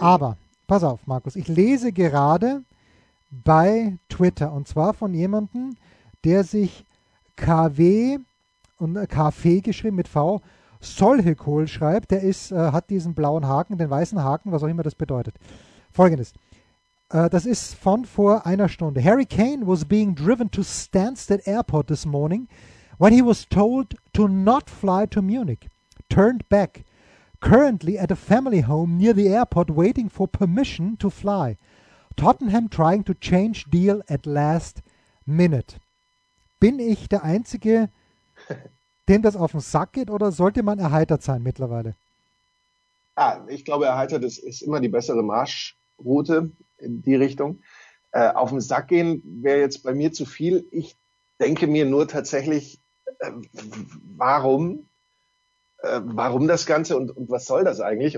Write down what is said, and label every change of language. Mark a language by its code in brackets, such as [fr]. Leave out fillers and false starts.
[de] Aber, pass auf, Markus, ich lese gerade bei Twitter, und zwar von jemandem, der sich KW und KF geschrieben mit V, Solhekohl schreibt, der ist, hat diesen blauen Haken, den weißen Haken, was auch immer das bedeutet. Folgendes. Das ist von vor einer Stunde. [en] Harry Kane was being driven to Stansted Airport this morning when he was told to not fly to Munich. Turned back. Currently at a family home near the airport waiting for permission to fly. Tottenham trying to change deal at last minute. [de] Bin ich der Einzige, dem das auf den Sack geht, oder sollte man erheitert sein mittlerweile? Ah, ich glaube, erheitert ist immer die bessere Marschroute in die Richtung. Auf den Sack gehen wäre jetzt bei mir zu viel. Ich denke mir nur tatsächlich, warum das Ganze und was soll das eigentlich?